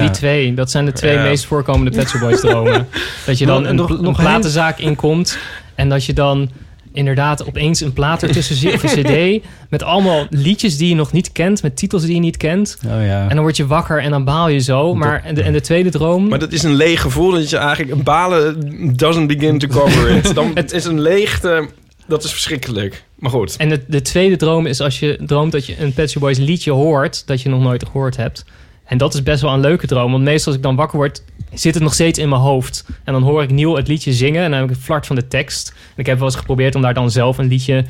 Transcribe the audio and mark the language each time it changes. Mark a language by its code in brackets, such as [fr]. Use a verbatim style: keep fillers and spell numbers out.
[nl] Die twee, dat zijn de twee ja. meest voorkomende Pet Shop Boys dromen. Dat je dan een, nog, een nog platenzaak heen? inkomt. En dat je dan inderdaad opeens een plaat ertussen zit of een cd... met allemaal liedjes die je nog niet kent, met titels die je niet kent. Oh ja. En dan word je wakker en dan baal je zo. Maar, en, de, en de tweede droom... Maar dat is een leeg gevoel dat je eigenlijk... [en] Balen doesn't begin to cover it. [nl] Dan, het is een leegte, dat is verschrikkelijk. Maar goed. En de, de tweede droom is als je droomt dat je een Pet Shop Boys liedje hoort... dat je nog nooit gehoord hebt... En dat is best wel een leuke droom. Want meestal als ik dan wakker word, zit het nog steeds in mijn hoofd. En dan hoor ik Neil het liedje zingen. En dan heb ik het flart van de tekst. En ik heb wel eens geprobeerd om daar dan zelf een liedje